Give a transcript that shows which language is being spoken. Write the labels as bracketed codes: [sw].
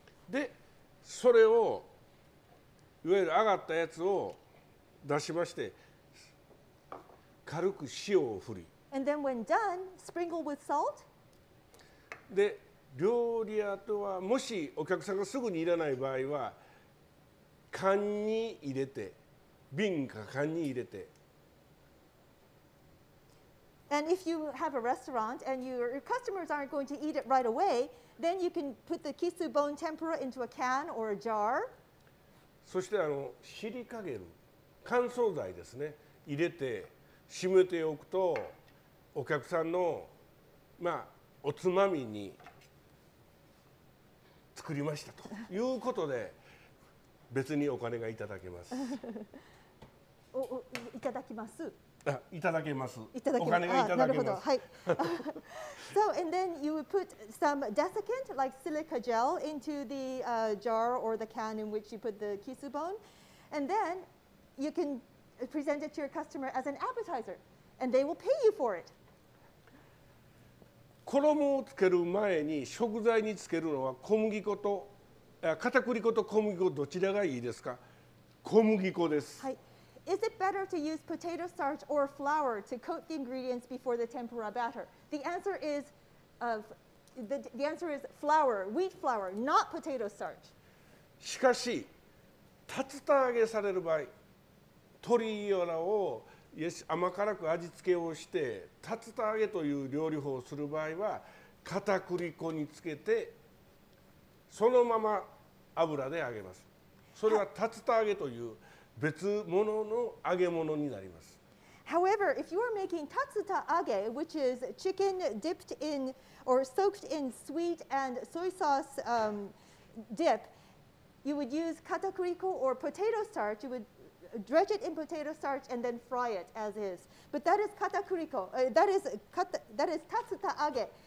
[ja] で、それをいわゆる揚がったやつを出しまして軽く塩を振り [en] And then when done, sprinkle with salt. [ja] で料理屋とはもしお客さんがすぐにいらない場合は缶に入れて瓶か缶に入れて [en] And if you have a restaurant and your customers aren't going to eat it right away, then you can put the kisu bone tempura into a can or a jar. [ja] そしてシリカゲル、乾燥剤ですね、入れて締めておくと、お客さんの、まあ、おつまみに作りましたということで、別にお金がいただけます。いただきます。いただけます。いただけます。お金がいただけます。はい。 [en] So, and then you would put some desiccant, like silica gel, into the、jar or the can in which you put the kisu bone. And then you can present it to your customer as an appetizer. And they will pay you for it. [ja] 衣をつける前に食材につけるのは小麦粉と、片栗粉と小麦粉どちらがいいですか？小麦粉です。はい。 [en] Is it better to use potato starch or flour to coat the ingredients before the tempura batter? The answer is flour, wheat flour, not potato starch. [ja] しかし、竜田揚げされる場合、鶏ガラを甘辛く味付けをして竜田揚げという料理法をする場合は、片栗粉につけてそのまま油で揚げます。それは竜田揚げという別物の揚げ物になります。 [en] However, if you are making tatsuta age, which is chicken dipped in or soaked in sweet and soy sauce dip, you would use katakuriko or potato starch. You would dredge it in potato starch and then fry it as is. But that is katakuriko. That is tatsuta age,